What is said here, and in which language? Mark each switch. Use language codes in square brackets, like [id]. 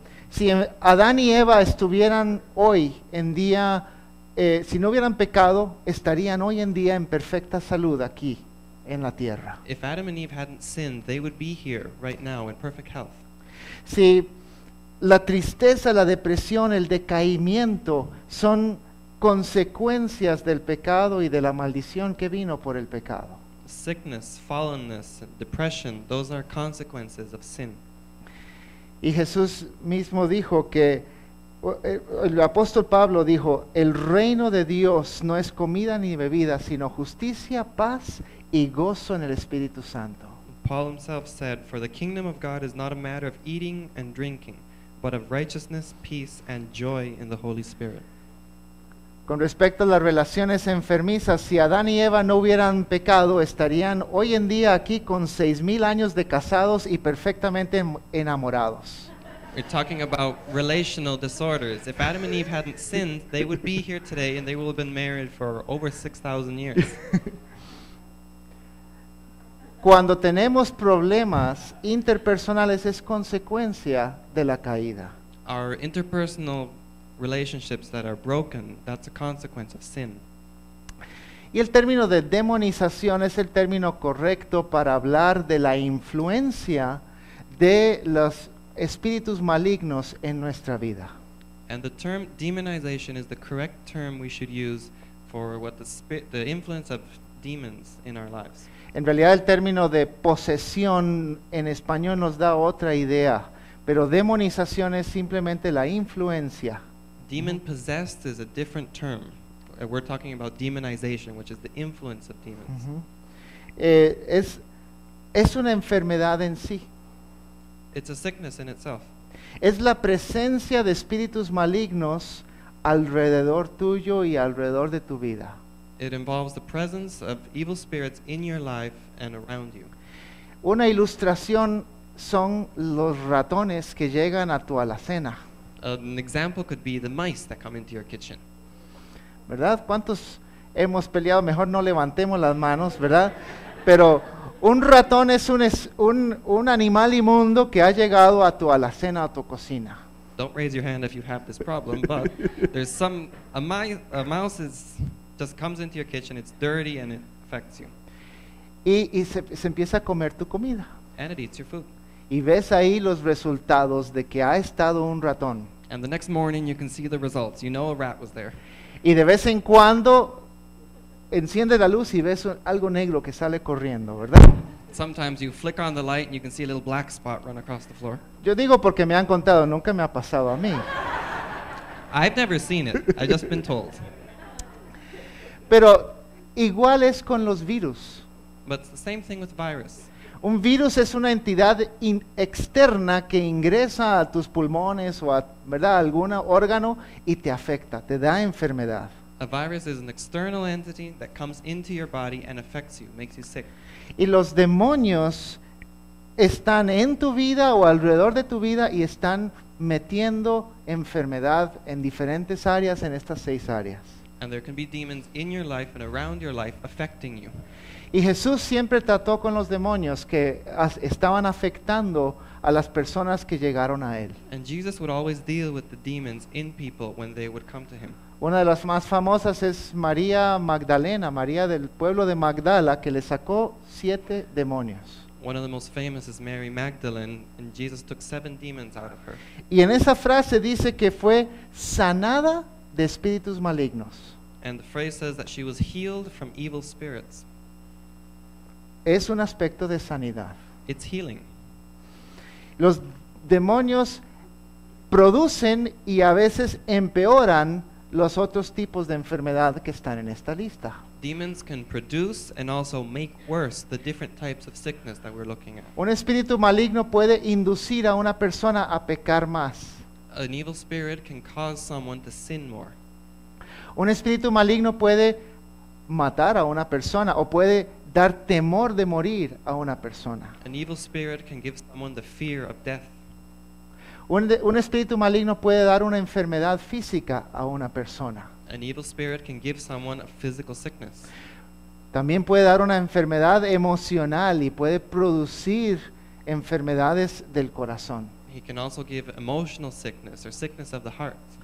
[es] Si Adán y Eva estuvieran hoy en día, si no hubieran pecado, estarían hoy en día en perfecta salud aquí en la tierra. [en] If Adam and Eve hadn't sinned, they would be here right now in perfect health. [es] Si la tristeza, la depresión, el decaimiento son consecuencias del pecado y de la maldición que vino por el pecado. [en] Sickness, fallenness, depression, those are consequences of sin. [es] Y Jesús mismo dijo que, el apóstol Pablo dijo, el reino de Dios no es comida ni bebida, sino justicia, paz y gozo en el Espíritu Santo. [en] Paul himself said, "For the kingdom of God is not a matter of eating and drinking, but of righteousness, peace, and joy in the Holy Spirit." [es] Con respecto a las relaciones enfermizas, si Adán y Eva no hubieran pecado, estarían hoy en día aquí con 6,000 años de casados y perfectamente enamorados. [en] We're talking about relational disorders. If Adam and Eve hadn't sinned, they would be here today, and they would have been married for over 6,000 years. [es] Cuando tenemos problemas interpersonales es consecuencia de la caída. [en] Our interpersonal relationships that are broken, that's a consequence of sin. [es] Y el término de demonización es el término correcto para hablar de la influencia de los espíritus malignos en nuestra vida. [en] And the term demonization is the correct term we should use for what the influence of demons in our lives. [es] En realidad el término de posesión en español nos da otra idea, Pero demonización es simplemente la influencia. [en] Demon possessed is a different term. We're talking about demonization, which is the influence of demons. [es] Es una enfermedad en sí. [en] It's a sickness in itself. [es] Es la presencia de espíritus malignos alrededor tuyo y alrededor de tu vida. [en] It involves the presence of evil spirits in your life and around you. [es] Una ilustración son los ratones que llegan a tu alacena. [en] An example could be the mice that come into your kitchen. [es] ¿Verdad? ¿Cuántos hemos peleado? Mejor no levantemos las manos, ¿verdad? Pero un ratón es un animal inmundo que ha llegado a tu alacena, a tu cocina. [en] Don't raise your hand if you have this problem, but there's some, a mouse is, just comes into your kitchen, it's dirty and it affects you. [es] Y se empieza a comer tu comida. [en] And it eats your food. [es] Y ves ahí los resultados de que ha estado un ratón. [en] And the next morning you can see the results, you know a rat was there. [es] Y de vez en cuando enciende la luz y ves algo negro que sale corriendo, ¿verdad? [en] Sometimes you flick on the light and you can see a little black spot run across the floor. [es] Yo digo porque me han contado, nunca me ha pasado a mí. [en] I've never seen it, I've just been told. [es] Pero igual es con los virus. [en] But it's the same thing with virus. [es] Un virus es una entidad externa que ingresa a tus pulmones o a, ¿verdad?, algún órgano y te afecta, te da enfermedad. [en] A virus is an external entity that comes into your body and affects you, makes you sick. [es] Y los demonios están en tu vida o alrededor de tu vida y están metiendo enfermedad en diferentes áreas, en estas seis áreas. [en] And there can be demons in your life and around your life affecting you. [es] Y Jesús siempre trató con los demonios que estaban afectando a las personas que llegaron a él. [en] And Jesus would always deal with the demons in people when they would come to him. [es] Una de las más famosas es María Magdalena, María del pueblo de Magdala, que le sacó siete demonios. [en] One of the most famous is Mary Magdalene, and Jesus took seven demons out of her. [es] Y en esa frase dice que fue sanada de espíritus malignos. [en] And the phrase says that she was healed from evil spirits. [es] Es un aspecto de sanidad. [en] It's healing. [es] Los demonios producen y a veces empeoran los otros tipos de enfermedad que están en esta lista. [en] Demons can produce and also make worse the different types of sickness that we're looking at. [es] Un espíritu maligno puede inducir a una persona a pecar más. [en] An evil spirit can cause someone to sin more. [es] Un espíritu maligno puede matar a una persona o puede dar temor de morir a una persona. [en] An evil spirit can give someone the fear of death. [es] Un espíritu maligno puede dar una enfermedad física a una persona. [en] An evil spirit can give someone a physical sickness. [es] También puede dar una enfermedad emocional y puede producir enfermedades del corazón. [en] He can also give emotional sickness or sickness of the heart.